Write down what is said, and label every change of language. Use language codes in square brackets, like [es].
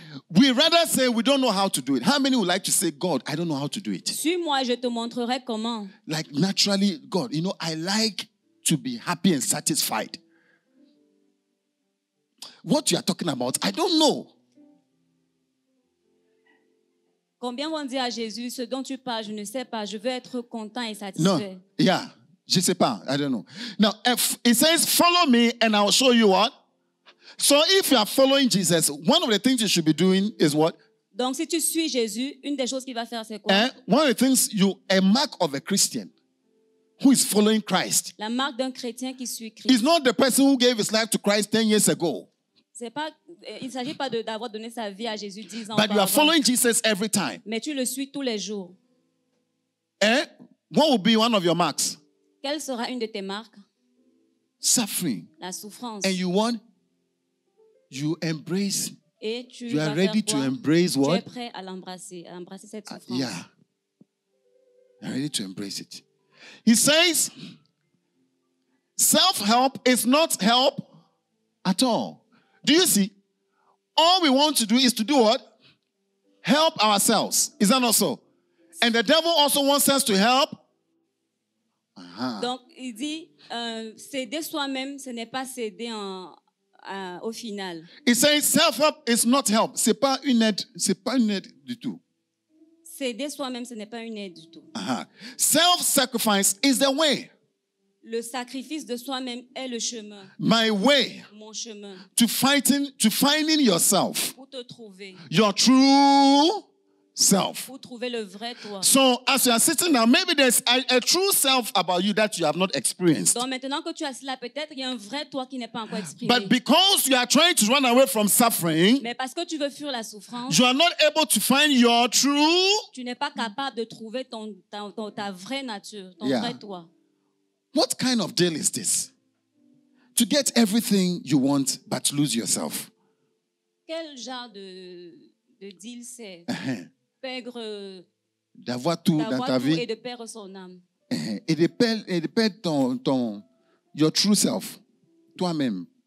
[en] We rather say we don't know how to do it. How many would like to say, God, I don't know how to do it? [fr] Suis-moi, je te montrerai comment. [en] Like naturally, God, you know, I like to be happy and satisfied. What you are talking about, I don't know. [fr] Combien vont dire à Jésus, ce dont tu parles, je ne sais pas, je veux être content et satisfait. Non, [en] yeah, [fr] je ne sais pas, [en] I don't know. Now, it says, follow me and I'll show you what. So if you are following Jesus, one of the things you should be doing is what? [fr] Donc si tu suis Jésus, une des choses qu'il va faire c'est quoi? [en] One of the things a mark of a Christian. who is following Christ. [fr] La marque d'un chrétien qui suit Christ. [en] It's not the person who gave his life to Christ 10 years ago. [fr] C'est pas, il ne s'agit pas de, d'avoir donné sa vie à Jésus 10 ans auparavant. [en] But you are following Jesus every time. [fr] Mais tu le suis tous les jours. [en] Eh? What will be one of your marks? [fr] Quelle sera une de tes marques? [en] Suffering. [fr] La souffrance. [en] And you want? You embrace. [fr] Et tu [en] you are ready to embrace what? [fr] Tu es prêt à l'embrasser, à embrasser cette souffrance. [en] Yeah. You are ready to embrace it. He says, self-help is not help at all. Do you see? All we want to do is to do what? Help ourselves. Is that not so? And the devil also wants us to help. Uh-huh. [fr] Donc, il dit, céder soi-même, ce n'est pas céder en, au final. [en] It says, self-help is not help. [fr] C'est pas une aide. C'est pas une aide du tout. Céder soi-même, ce n'est pas une aide du tout. [en] Uh-huh. Self-sacrifice is the way. [fr] Le sacrifice de soi-même est le chemin. [en] My way. [fr] Mon chemin. [en] To fighting, to finding yourself. [fr] Pour te trouver. [en] Your true self. [fr] Pour trouver le vrai toi. [en] So as you are sitting now, maybe there's a true self about you that you have not experienced. [fr] Donc maintenant que tu as cela, peut-être il y a un vrai toi qui n'est pas encore exprimé. [en] But because you are trying to run away from suffering. [fr] Mais parce que tu veux fuir la souffrance. [en] You are not able to find your true. [fr] Tu n'es pas capable de trouver ta vraie nature, ton vrai toi. [en] What kind of deal is this? To get everything you want but lose yourself. [fr] Quel genre de deal c'est? Uh-huh. Perdre d'avoir tout d'avoir dans ta tout vie et de perdre son âme. Uh-huh. Et de perdre ton [en] your true self. [fr] Toi-même.